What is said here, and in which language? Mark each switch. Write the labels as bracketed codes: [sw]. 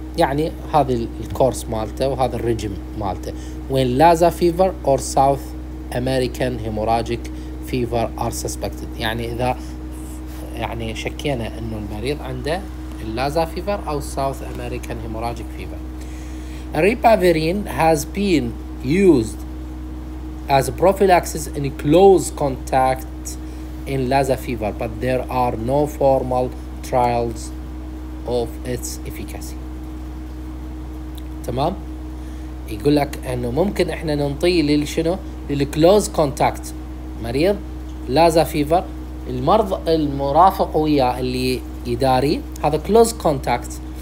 [ar] يعني هذا الكورس مالته وهذا الرجيم مالته. [en] When Lassa fever or South American hemorrhagic fever are suspected. [ar] يعني إذا يعني شكينا إنه المريض عنده اللازا فيفر أو South American hemorrhagic fever. [en] Ribavirin has been used as a prophylaxis in close contact in Lassa fever, but there are no formal trials of its efficacy. [ar] تمام؟ يقول لك إنه ممكن إحنا ننطي للشنو؟ للكلوز كونتاكت مريض لازا فيفر، المرض المرافق وياه اللي يداري هذا كلوز كونتاكت